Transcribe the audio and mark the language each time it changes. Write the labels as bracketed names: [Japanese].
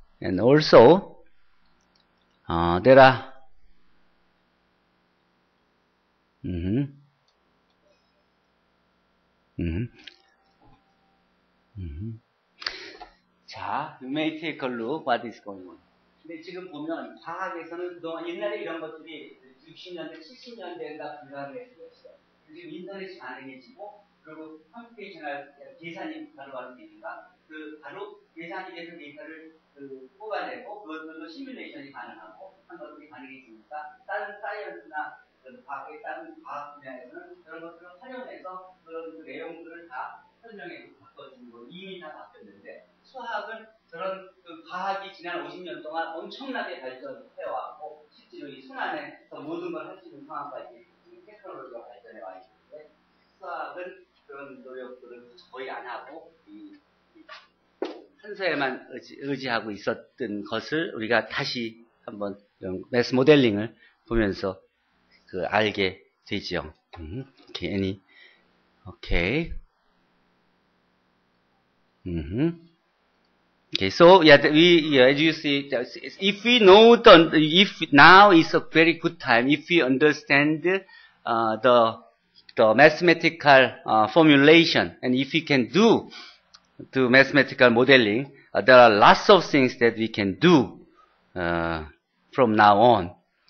[English] And also there are Ja, you may take a look what is going on. [Korean] 근데 지금 보면 과학에서는 그동안 옛날에 이런 것들이 60년대, 70년대에다 분산을 했었어요. 근데 인터넷이 가능해지고 그리고 컴퓨테이션을 계산이 바로 가는 데니까 그 바로 계산이 돼서 데이터를 뽑아내고 그것들도 시뮬레이션이 가능하고 한 것들이 가능해지니까 다른 사이언스나 과학의 다른 과학 분야에서는 그런 것들을 활용해서 그런 그 내용들을 다 설명해서 바꿔주는 거 이미 다 바뀌었는데 수학은 그런 그 과학이 지난 50년 동안 엄청나게 발전해왔고 실제로 이 순환 지금 상황까지 테크놀로지가 발전해 와 있는데 수학은 그런 노력들을 거의 안 하고 순서에만 의지하고 있었던 것을 우리가 다시 한번 이런 매스 모델링을 보면서 그 알게 되죠. 괜히 오케이. [English] Okay, so, yeah, as you see, if we know the, if now is a very good time, if we understand, the mathematical, formulation, and if we can do the mathematical modeling, there are lots of things that we can do, from now on.